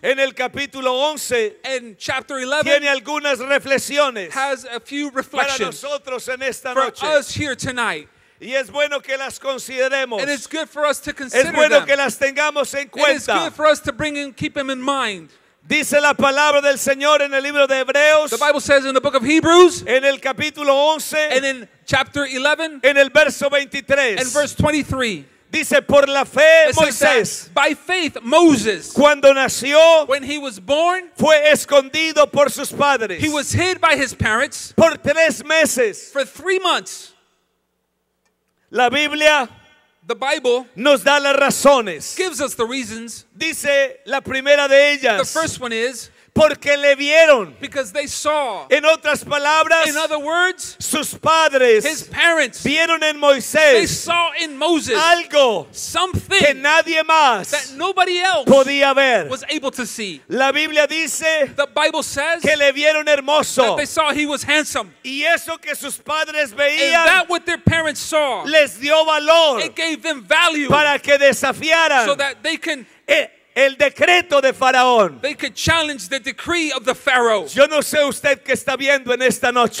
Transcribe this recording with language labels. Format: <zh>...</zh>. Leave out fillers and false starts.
<es>en el capítulo 11,</es> <en>and chapter 11,</en> <es>tiene algunas reflexiones,</es> <en>has a few reflections</en> <es>para nosotros en esta</es> <en>for</en> <es>noche,</es> <en>us here tonight.</en> <es>Y es bueno que las consideremos.</es> <en>And it's good for us to consider</en> <es>es bueno</es> <en>them.</en> <es>Que las tengamos en cuenta.</es> <en>It's good for us to bring and keep them in mind.</en> <es>Dice la palabra del Señor en el libro de Hebreos.</es> <en>The Bible says in the book of Hebrews.</en> <es>En el capítulo 11.</es> <en>And in chapter 11.</en> <es>En el verso 23.</es> <en>And verse 23.</en> <es>Dice por la fe Moisés.</es> <en>By faith Moses.</en> <es>Cuando nació,</es> <en>when he was born,</en> <es>fue escondido por sus padres.</es> <en>He was hid by his parents.</en> <es>Por tres meses.</es> <en>For 3 months.</en> <es>La Biblia,</es> <en>the Bible,</en> <es>nos da las razones.</es> <en>Gives us the reasons.</en> <es>Dice la primera de ellas.</es> <en>The first one is,</en> <es>porque le vieron.</es> <en>Because they saw.</en> <es>En otras palabras,</es> <en>in other words,</en> <es>sus padres,</es> <en>his parents,</en> <es>vieron en Moisés,</es> <en>they saw in Moses,</en> <es>algo,</es> <en>something,</en> <es>que nadie más,</es> <en>that nobody else,</en> <es>podía ver,</es> <en>was able to see.</en> <es>La Biblia dice,</es> <en>the Bible says,</en> <es>que le vieron hermoso,</es> <en>that they saw he was handsome.</en> <es>Y eso que sus padres veían,</es> <en>and that what their parents saw,</en> <es>les dio valor,</es> <en>it gave them value,</en> <es>para que desafiaran,</es> <en>so that they can,</en> <es>el decreto de Faraón.</es> <en>They could challenge the decree of the Pharaoh.</en> <es>Yo no sé usted qué está viendo en esta noche.</es>